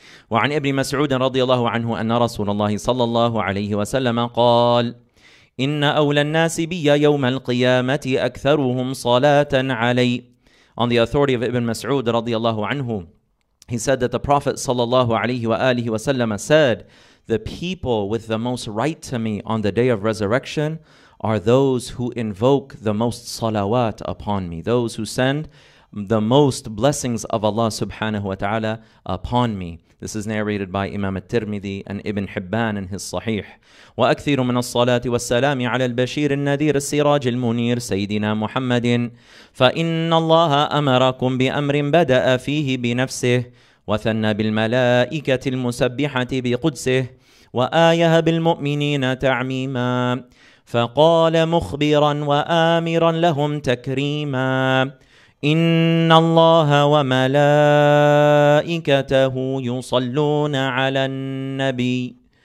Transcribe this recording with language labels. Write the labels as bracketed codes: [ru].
[ar] وعن ابن مسعود رضي الله عنه أن رسول الله صلى الله عليه وسلم قال إن أولى الناس بي يوم القيامة أكثرهم صلاة علي. [en] On the authority of Ibn Mas'ud [ar] رضي الله عنه, [en] he said that the Prophet [ar] صلى الله عليه وآله وسلم [en] said, the people with the most right to me on the day of resurrection are those who invoke the most salawat upon me, those who send the most blessings of Allah [ar] subhanahu wa ta'ala [en] upon me. This is narrated by Imam al-Tirmidhi and Ibn Hibban in his Sahih. [ar] وَأَكْثِرُ مِنَ الصَّلَاةِ وَالسَّلَامِ عَلَى الْبَشِيرِ النَّذِيرِ السِّرَاجِ الْمُنِيرِ سَيِّدِنَا مُحَمَّدٍ فَإِنَّ اللَّهَ أَمَرَكُمْ بِأَمْرٍ بَدَأَ فِيهِ بِنَفْسِهِ وَثَنَّ بِالْمَلَائِكَةِ الْمُسَبِّحَةِ بِقُدْسِهِ وَآيَهَ بِالْمُؤْمِنِينَ تَعْمِيمًا فَقَالَ مُخْبِرًا وَآمِرًا لَهُمْ تَكْرِيمًا إن الله وملائكته يصلون على النبي